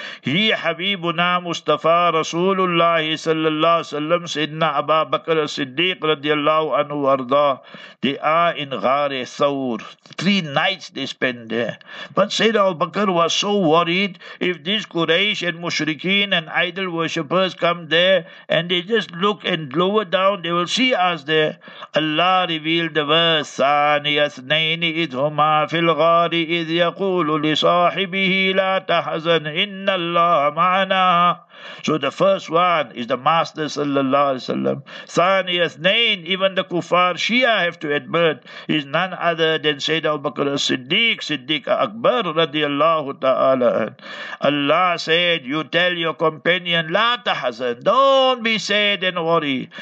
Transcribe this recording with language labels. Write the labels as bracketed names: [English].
[English] He Habibuna Mustafa Rasulullah sallallahu alaihi wasallam Sayyidina Abu Bakr Siddiq radiallahu anhu arda. They are in Ghare Thawr. 3 nights they spend there. But Sayyidina Abu Bakr was so worried, if these Quraysh and Mushrikeen and idol worshippers come there and they just look and lower down, they will see us there. Allah revealed the verse. [Arabic] اثنين إذ هما في الغار إذ يقول لصاحبه لا تحزن إن الله معنا. [English] So the first one is the Master sallallahu alaihi wasallam. Thani athnain, even the kuffar Shia have to admit, is none other than Sayyidina Abu Bakr as-Siddiq, Siddiq Akbar radiallahu ta'ala. Allah said, you tell your companion, [Arabic] la tahzan, [English] don't be sad and worry.